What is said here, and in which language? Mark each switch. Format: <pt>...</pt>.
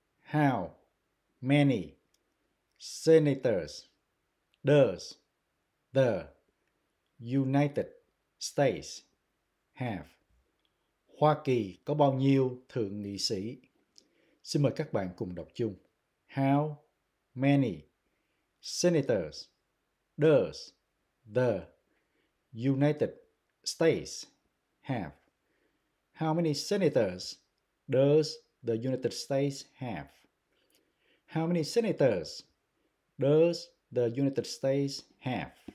<en>How many senators does the United States have?</en> <vi>Hoa Kỳ có bao nhiêu thượng nghị sĩ? Xin mời các bạn cùng đọc chung.</vi> <en>How many senators does the United States have? How many senators does the United States have? How many senators does the United States have?</en>